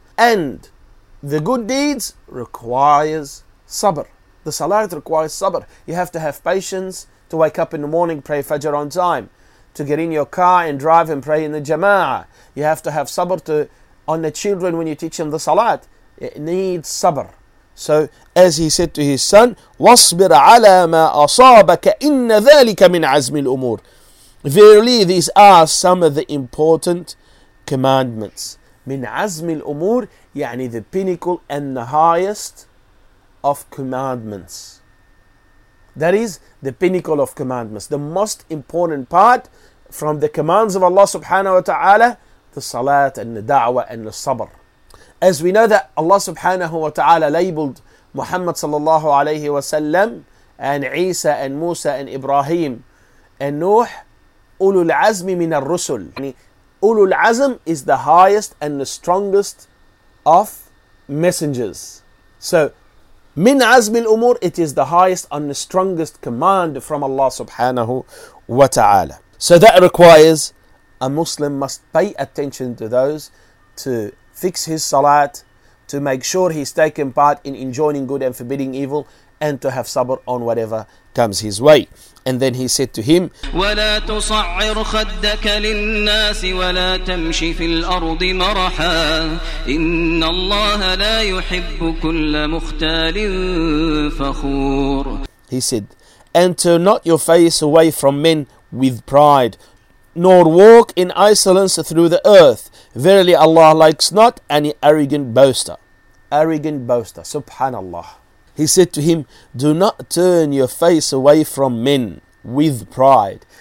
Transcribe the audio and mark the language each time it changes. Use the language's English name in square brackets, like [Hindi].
[English] And the good deeds requires sabr. The salat requires sabr. You have to have patience to wake up in the morning, pray Fajr on time, to get in your car and drive and pray in the Jama'ah. You have to have sabr on the children when you teach them the salat. It needs sabr. So, as he said to his son, [Arabic] وَاصْبِرْ عَلَى مَا أَصَابَكَ إِنَّ ذَلِكَ مِنْ عَزْمِ الْأُمُورِ. [English] Verily, these are some of the important commandments. [Arabic] مِنْ عَزْمِ الْأُمُورِ, يعني [English] the pinnacle and the highest of commandments. That is the pinnacle of commandments, the most important part from the commands of Allah subhanahu wa ta'ala, the salat and the da'wah and the sabr. As we know that Allah subhanahu wa ta'ala labeled Muhammad sallallahu alayhi wa sallam and Isa and Musa and Ibrahim and Nuh, [Arabic] ulul azmi min ar-rusul. [English] Ulul azm is the highest and the strongest of messengers. So, [Arabic] min azmi al-umur, [English] it is the highest and the strongest command from Allah subhanahu wa ta'ala. So that requires a Muslim must pay attention to fix his salat, to make sure he's taken part in enjoining good and forbidding evil, and to have sabr on whatever comes his way. And then he said to him, [Arabic] وَلَا تُصَعِّرْ خَدَّكَ لِلنَّاسِ وَلَا تَمْشِ فِي الْأَرْضِ مَرَحًا إِنَّ اللَّهَ لَا يُحِبُّ كُلَّ مُخْتَالٍ فَخُورٍ. [English] He said, and turn not your face away from men with pride, nor walk in insolence through the earth. Verily, Allah likes not any arrogant boaster. Arrogant boaster, subhanallah. He said to him, do not turn your face away from men with pride.